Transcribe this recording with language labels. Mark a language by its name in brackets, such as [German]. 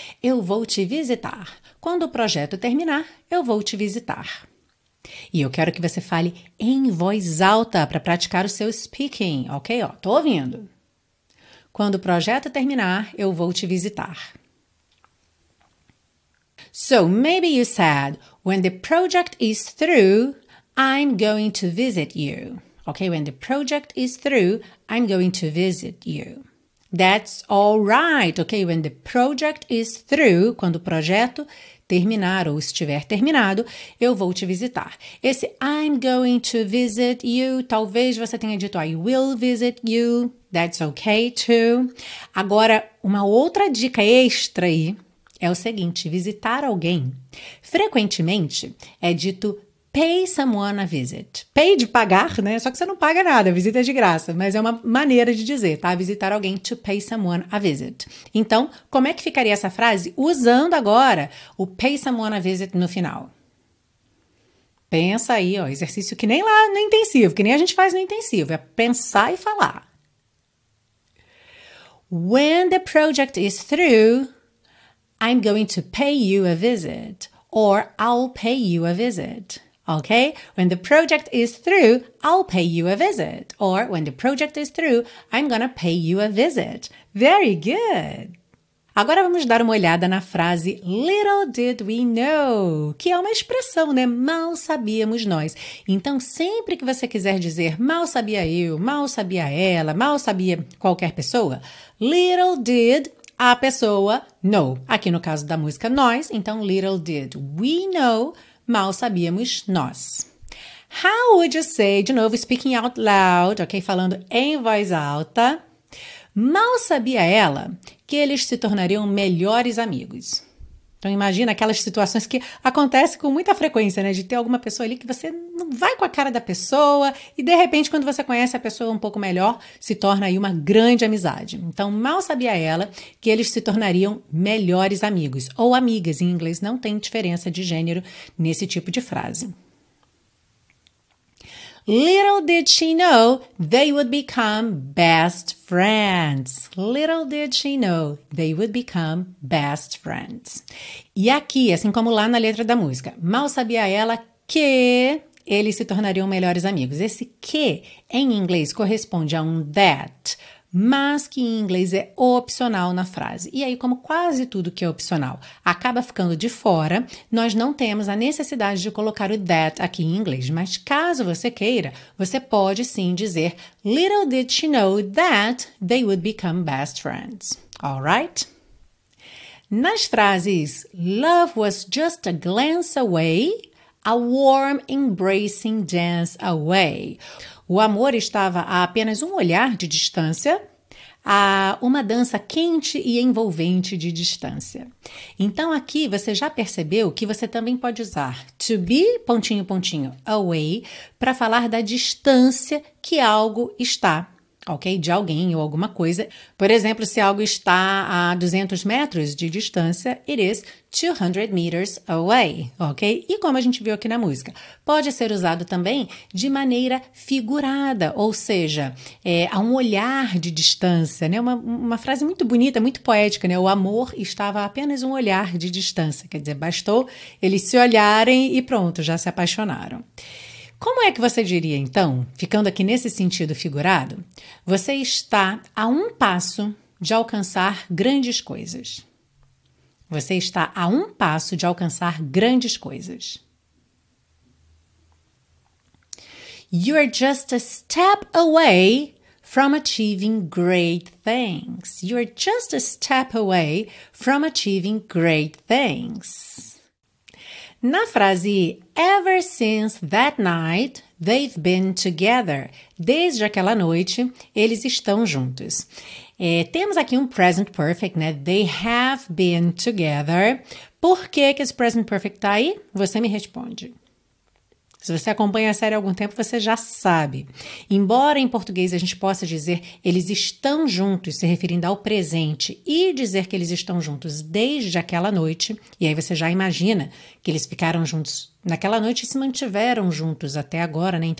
[Portuguese] Eu vou te visitar. Quando o projeto terminar, eu vou te visitar. E eu quero que você fale em voz alta para praticar o seu speaking, ok? Ó, tô ouvindo. Quando o projeto terminar, eu vou te visitar. [English] So, maybe you said, when the project is through, I'm going to visit you. Ok, when the project is through, I'm going to visit you. That's all right, ok? When the project is through, [Portuguese] quando o projeto terminar ou estiver terminado, eu vou te visitar. Esse [English] I'm going to visit you, [Portuguese] talvez você tenha dito [English] I will visit you. That's okay too. [Portuguese] Agora, uma outra dica extra aí é o seguinte: visitar alguém. Frequentemente é dito [English] pay someone a visit. [Portuguese] Pay de pagar, né? Só que você não paga nada, a visita é de graça. Mas é uma maneira de dizer, tá? Visitar alguém, [English] to pay someone a visit. [Portuguese] Então, como é que ficaria essa frase usando agora o [English] pay someone a visit [Portuguese] no final? Pensa aí, ó, exercício que nem lá no intensivo, que nem a gente faz no intensivo, é pensar e falar. [English] When the project is through, I'm going to pay you a visit, or I'll pay you a visit. Ok? When the project is through, I'll pay you a visit. Or, when the project is through, I'm gonna pay you a visit. Very good! [Portuguese] Agora vamos dar uma olhada na frase [English] little did we know, [Portuguese] que é uma expressão, né? Mal sabíamos nós. Então, sempre que você quiser dizer mal sabia eu, mal sabia ela, mal sabia qualquer pessoa, [English] little did [Portuguese] a pessoa know. Aqui no caso da música nós, então [English] little did we know, [Portuguese] mal sabíamos nós. [English] How would you say, [Portuguese] de novo, [English] speaking out loud, ok? [Portuguese] Falando em voz alta. Mal sabia ela que eles se tornariam melhores amigos. Então, imagina aquelas situações que acontecem com muita frequência, né? De ter alguma pessoa ali que você não vai com a cara da pessoa e, de repente, quando você conhece a pessoa um pouco melhor, se torna aí uma grande amizade. Então, mal sabia ela que eles se tornariam melhores amigos ou amigas. Em inglês, não tem diferença de gênero nesse tipo de frase. [English] Little did she know they would become best friends. Little did she know they would become best friends. [Portuguese] E aqui, assim como lá na letra da música, mal sabia ela que eles se tornariam melhores amigos. Esse que em inglês corresponde a um that, mas que em inglês é opcional na frase. E aí, como quase tudo que é opcional acaba ficando de fora, nós não temos a necessidade de colocar o that aqui em inglês. Mas caso você queira, você pode sim dizer [English] little did she know that they would become best friends. All right? [Portuguese] Nas frases [English] love was just a glance away, a warm embracing dance away. [Portuguese] O amor estava a apenas um olhar de distância, a uma dança quente e envolvente de distância. Então, aqui você já percebeu que você também pode usar to be, pontinho, pontinho, away, para falar da distância que algo está, ok? De alguém ou alguma coisa. Por exemplo, se algo está a 200 metros de distância, it is 200 meters away, ok? E como a gente viu aqui na música, pode ser usado também de maneira figurada, ou seja, a um olhar de distância, né? Uma frase muito bonita, muito poética, né? O amor estava a apenas um olhar de distância, quer dizer, bastou eles se olharem e pronto, já se apaixonaram. Como é que você diria, então, ficando aqui nesse sentido figurado, você está a um passo de alcançar grandes coisas. Você está a um passo de alcançar grandes coisas. [English] You're just a step away from achieving great things. You're just a step away from achieving great things. [Portuguese] Na frase, [English] ever since that night, they've been together. [Portuguese] Desde aquela noite, eles estão juntos. Temos aqui um present perfect, né? [English] They have been together. [Portuguese] Por que que esse present perfect tá aí? Você me responde. Se você acompanha a série há algum tempo, você já sabe. Embora em português a gente possa dizer eles estão juntos, se referindo ao presente, e dizer que eles estão juntos desde aquela noite, e aí você já imagina que eles ficaram juntos naquela noite e se mantiveram juntos até agora, né?